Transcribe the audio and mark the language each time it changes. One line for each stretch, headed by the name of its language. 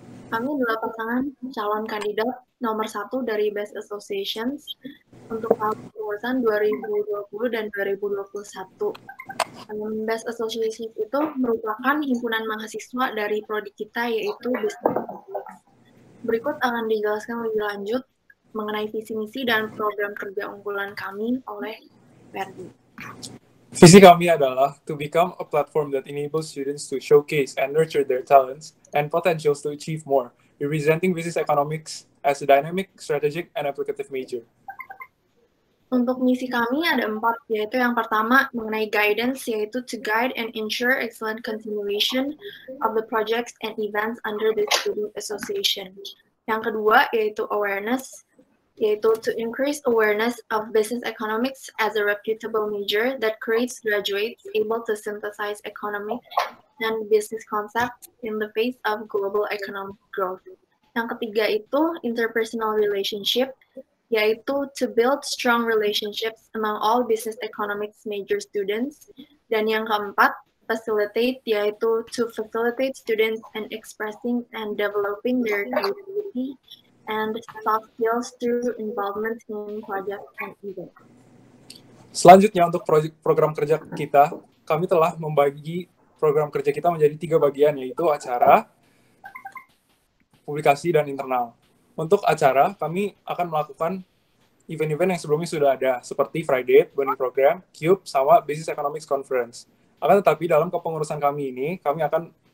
Indonesian: Kami adalah pasangan calon kandidat nomor 1 dari BEST Associations untuk tahun kepengurusan 2020 dan 2021. BEST Associations itu merupakan himpunan mahasiswa dari prodi kita yaitu BEST. Berikut akan dijelaskan lebih lanjut mengenai visi misi dan program kerja unggulan kami oleh Visi kami adalah
English: to become a platform that enables students to showcase and nurture their talents and potentials to achieve more, representing business economics as a dynamic, strategic, and applicative major.
Indonesian: Untuk misi kami ada 4, yaitu yang pertama mengenai guidance, yaitu
English: to guide and ensure excellent continuation of the projects and events under the student association.
Indonesian: Yang kedua yaitu awareness, yaitu
English: to increase awareness of business economics as a reputable major that creates graduates able to synthesize economy and business concepts in the face of global economic growth.
Indonesian: Yang ketiga itu interpersonal relationship, yaitu
English: to build strong relationships among all business economics major students.
Indonesian: Dan yang keempat, facilitate, yaitu
English: to facilitate students in expressing and developing their creativity and soft skills through involvement in project and event.
Indonesian: Selanjutnya untuk program kerja kita, kami telah membagi program kerja kita menjadi 3 bagian, yaitu acara, publikasi, dan internal. Untuk acara, kami akan melakukan event-event yang sebelumnya sudah ada, seperti Friday, Bonding Program, Cube, sama Business Economics Conference. Akan tetapi dalam kepengurusan kami ini, kami akan